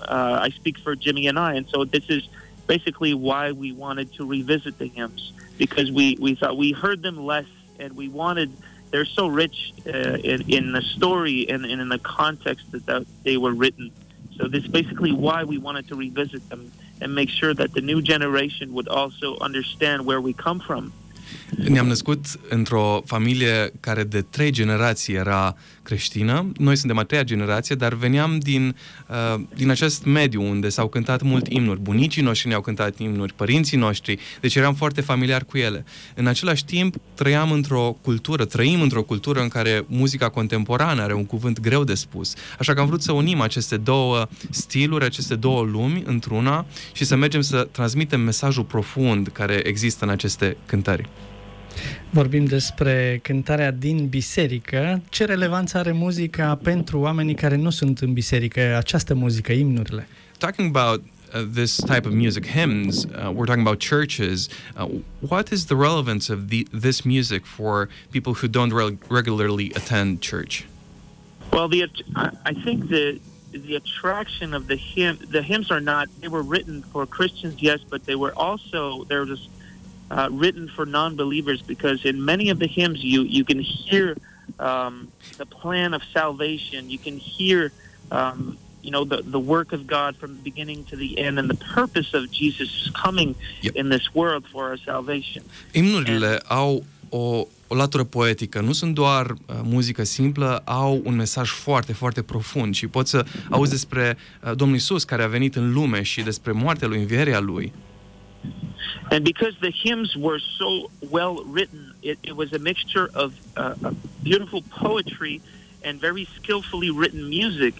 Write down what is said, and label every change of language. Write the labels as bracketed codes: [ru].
[en] I speak for Jimmy and I, and so this is basically why we wanted to revisit the hymns, because we thought we heard them less, and we wanted... They're so rich in the story and in the context that they were written. So this is basically why we wanted to revisit them and make sure that the new generation would also understand where we come from. [ro] Ne-am născut într-o familie care de 3 generații era creștină. Noi suntem a 3-a generație, dar veneam din acest mediu unde s-au cântat mult imnuri. Bunicii noștri ne-au cântat imnuri, părinții noștri, deci eram foarte familiar cu ele. În același timp, trăim într-o cultură în care muzica contemporană are un cuvânt greu de spus. Așa că am vrut să unim aceste două stiluri, aceste două lumi într-una și să mergem să transmitem mesajul profund care există în aceste cântări. Vorbim despre cântarea din biserică. Ce relevanță are muzica pentru oamenii care nu sunt în biserică, această muzică, imnurile? [en] Talking about this type of music, hymns, we're talking about churches. What is the relevance of this music for people who don't regularly attend church? Well, I think the attraction of the hymns are not, they were written for Christians, yes, but they were also, they're just written for non-believers, because in many of the hymns you can hear the plan of salvation, you can hear you know, the work of God from the beginning to the end and the purpose of Jesus coming in this world for our salvation. [ro] Imnurile au o latură poetică, nu sunt doar muzică simplă, au un mesaj foarte, foarte profund și poți să auzi despre Domnul Iisus care a venit în lume și despre moartea Lui, învierea Lui. [en] And because the hymns were so well written, it was a mixture of a beautiful poetry and very skillfully written music.